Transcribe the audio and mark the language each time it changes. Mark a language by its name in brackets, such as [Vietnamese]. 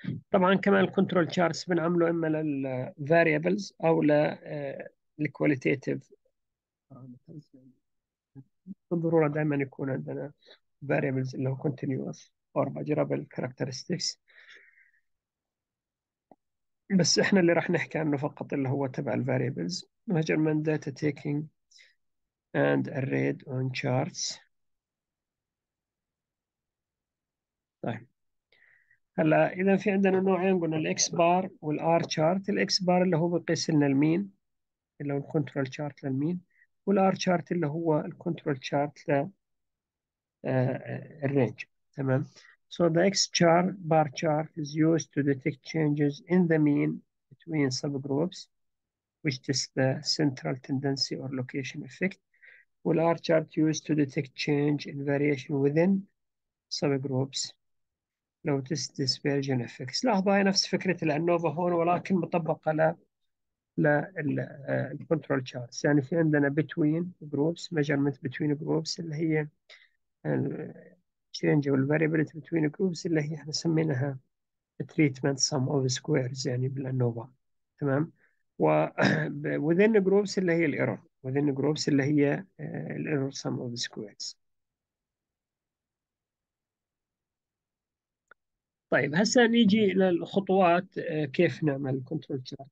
[Arabic] طبعا كمان الكنترول تشارتس بنعمله اما للفاريبلز او للكواليتيتيف بارامترز، بالضروره دائما يكون عندنا variables اللي هو [English] continuous or measurable characteristics، [Arabic] بس احنا اللي راح نحكي عنه فقط اللي هو تبع ال variables. [English] measurement data taking and arrayed on charts. [Arabic] طيب هلا اذا في عندنا نوعين، قلنا الاكس بار والار chart. الاكس بار اللي هو بيقيس لنا المين اللي هو الكنترول chart للمين، والار chart اللي هو الكنترول chart ل الرينج. تمام. [English] So the X char bar chart is used to detect changes in the mean between subgroups, which is the central tendency or location effect. Well, R chart used to detect change in variation within subgroups, notice dispersion effects. [Arabic] لاحظوا هي نفس فكرة الأنوفا هون، ولكن مطبقة للكنترول charts. يعني في عندنا [English] between groups, measurement between groups اللي هي change of variability between groups [Arabic] اللي هي احنا سميناها [English] treatment sum of squares [Arabic] يعني بالانوفا. تمام. [English] و within groups [Arabic] اللي هي الايرور، [English] within groups اللي هي الايرور sum of squares. [Arabic] طيب هسه نيجي للخطوات كيف نعمل control chart.